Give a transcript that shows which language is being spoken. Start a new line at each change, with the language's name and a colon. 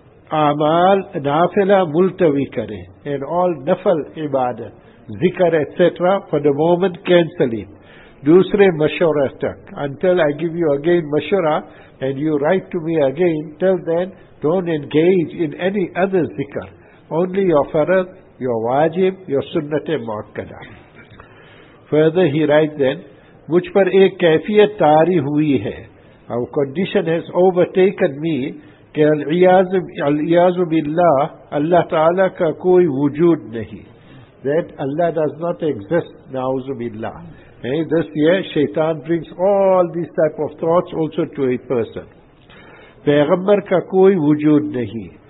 Urdu: Amal nafila multavi kare.
English: And all nafal ibadah, zikr, etc. For the moment, cancel it.
Urdu: Dusre mashura tak.
English: Until I give you again mashura, and you write to me again, till then, don't engage in any other zikr. Only your faraz, your wajib, your sunnat-e muakkada. Further he writes then,
Urdu: مجھ پر ایک کیفیت طاری ہوئی ہے.
English: Our condition has overtaken me
Urdu: کہ العیاذ باللہ اللہ تعالیٰ کا کوئی وجود نہیں.
English: That Allah does not exist, نعوذ باللہ. Hey, this year, شیطان brings all these type of thoughts also to a person.
Urdu: پیغمبر کا کوئی وجود نہیں.